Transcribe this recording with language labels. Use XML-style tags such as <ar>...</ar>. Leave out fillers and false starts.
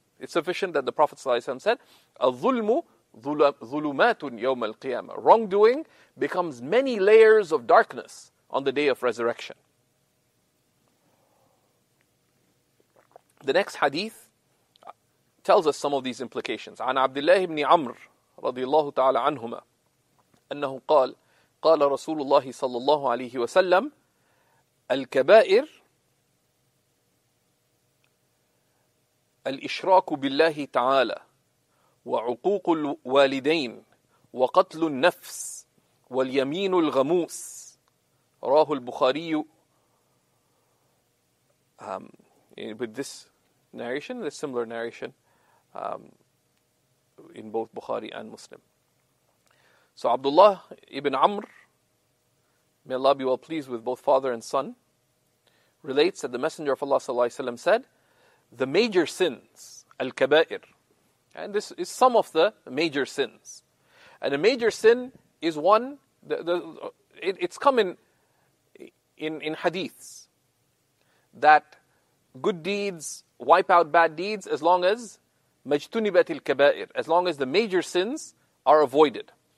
<en>It's sufficient that the Prophet ﷺ said,</en> <ar>"Al-dhulmu dhulumatun yawm al-qiyamah."</ar> <en>Wrongdoing becomes many layers of darkness on the day of resurrection. The next hadith tells us some of these implications.</en> <ar>عن عبد الله بن عمر رضي الله تعالى عنهما أنه قال قال رسول الله صلى الله عليه وسلم الكبائر الإشراك بالله تعالى وعقوق الوالدين وقتل النفس واليمين الغموس رواه البخاري</ar> <en>with this narration, a similar narration in both Bukhari and Muslim. So Abdullah ibn Amr, may Allah be well pleased with both father and son, relates that the Messenger of Allah sallallahu alaihi wasallam said, the major sins, al-kaba'ir, And this is some of the major sins. And a major sin is one, it's come in hadiths, that good deeds wipe out bad deeds as long as</en> <ar>majtunibat al-kaba'ir,</ar> <en>as long as the major sins are avoided.</en>